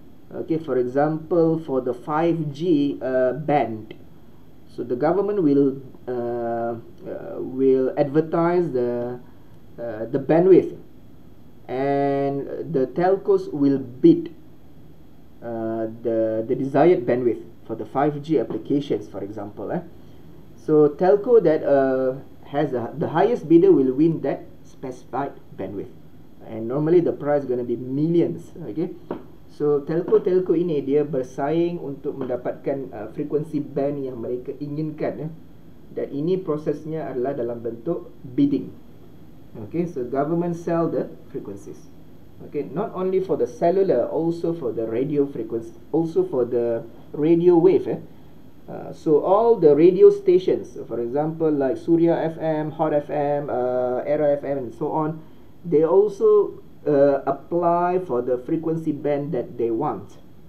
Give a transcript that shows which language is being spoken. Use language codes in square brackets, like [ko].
[en] Okay, for example, for the 5G band, so the government will advertise the bandwidth, and the telcos will bid the desired bandwidth for the 5G applications, for example. So telco that has the highest bidder will win that specified bandwidth, and normally the price is going to be millions. Okay. [ms] So telco-telco ini dia bersaing untuk mendapatkan frekuensi band yang mereka inginkan, dan ini prosesnya adalah dalam bentuk bidding. [en] Okay, so government sell the frequencies. Okay, not only for the cellular, also for the radio frequency, also for the radio wave. So all the radio stations, for example like Surya FM, Hot FM, Era FM, and so on, they also apply for the frequency band that they want.